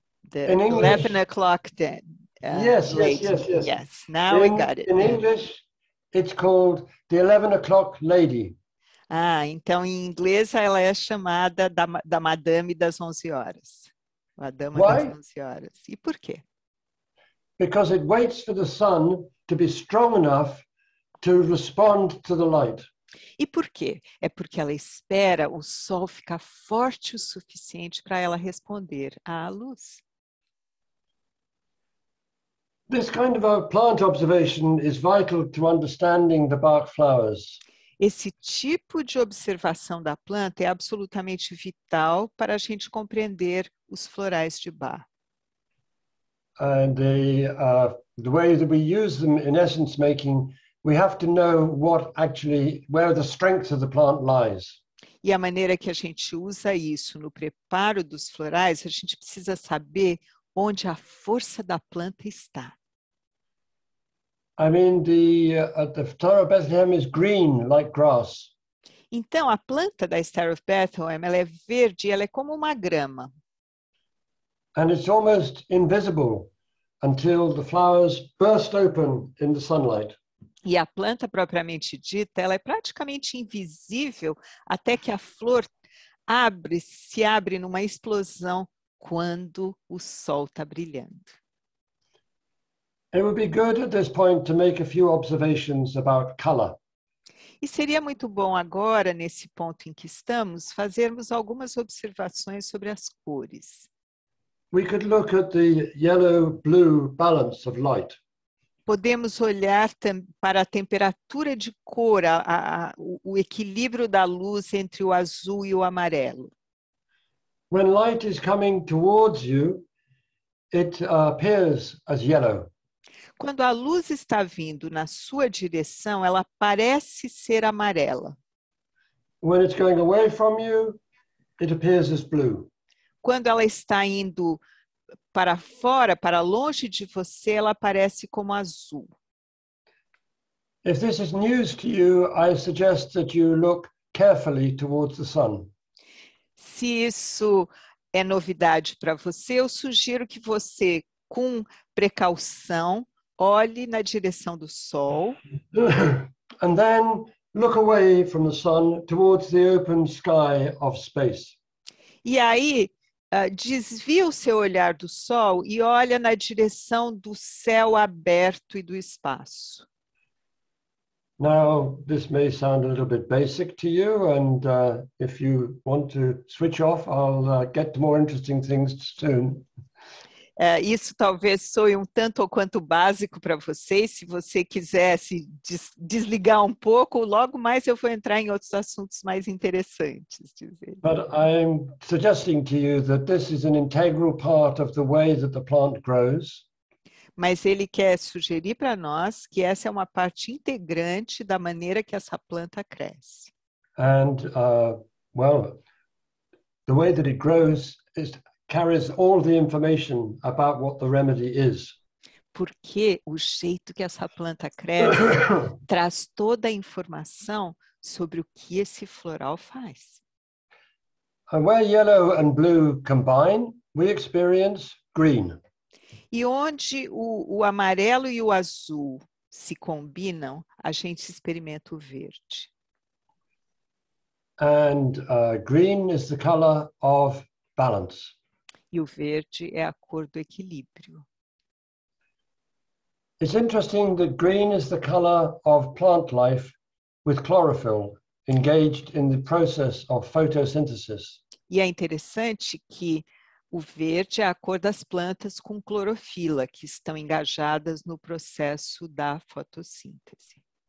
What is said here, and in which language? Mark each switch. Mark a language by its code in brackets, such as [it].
[en] The in 11 English, o'clock then. Yes. Now we got it. In English, it's called the 11 o'clock lady. [pt] Ah, então em inglês ela é chamada da madame das 11 horas. A dama das 11 horas. E por quê? [en] Because it waits for the sun to be strong enough to respond to the light. [pt] E por quê? É porque ela espera o sol ficar forte o suficiente para ela responder à luz. [en] This kind of a plant observation is vital to understanding the Bach flowers. [pt] Esse tipo de observação da planta é absolutamente vital para a gente compreender os florais de Bach. [en] And the the way that we use them in essence making, we have to know what actually, where the strength of the plant lies. [pt] E a maneira que a gente usa isso no preparo dos florais, a gente precisa saber onde a força da planta está. [en] I mean, the Star of Bethlehem is green, like grass. [pt] Então, a planta da Star of Bethlehem, ela é verde, ela é como uma grama. [en] And it's almost invisible until the flowers burst open in the sunlight. [pt] E a planta propriamente dita, ela é praticamente invisível até que a flor abre, se abre numa explosão quando o sol está brilhando. [en] It would be good at this point to make a few observations about color. [pt] E seria muito bom agora, nesse ponto em que estamos, fazermos algumas observações sobre as cores. [en] We could look at the yellow-blue balance of light. [pt] Podemos olhar para a temperatura de cor, o equilíbrio da luz entre o azul e o amarelo. [en] When light is coming towards you, it appears as yellow. [pt] Quando a luz está vindo na sua direção, ela parece ser amarela. [en] When it's going away from you, it appears as blue. [pt] Quando ela está indo para fora, para longe de você, ela aparece como azul. [en] If this is news to you, I suggest that you look carefully towards the sun. [pt] Se isso é novidade para você, eu sugiro que você, com precaução, olhe na direção do sol. [en] And then look away from the sun towards the open sky of space. [pt] E aí, desvia o seu olhar do sol e olha na direção do céu aberto e do espaço. [en] Now, this may sound a little bit basic to you, and if you want to switch off, I'll get to more interesting things soon. [pt] Isso talvez soe um tanto ou quanto básico para vocês. Se você quiser se desligar um pouco, logo mais eu vou entrar em outros assuntos mais interessantes. [en] But I'm suggesting to you that this is an integral part of the way that the plant grows. [pt] Mas ele quer sugerir para nós que essa é uma parte integrante da maneira que essa planta cresce. [en] And, well, the way that it grows is carries all the information about what the remedy is. [pt] Porque o jeito que essa planta cresce traz toda a informação sobre o que esse floral faz. [en] And where yellow and blue combine, we experience green. [pt] E onde o amarelo e o azul se combinam, a gente experimenta o verde. [en] And green is the color of balance. [pt] E o verde é a cor do equilíbrio. [en] It's interesting that green is the color of plant life with chlorophyll engaged in the process of photosynthesis. [pt] E é interessante que o verde é a cor das plantas com clorofila, que estão engajadas no processo da fotossíntese.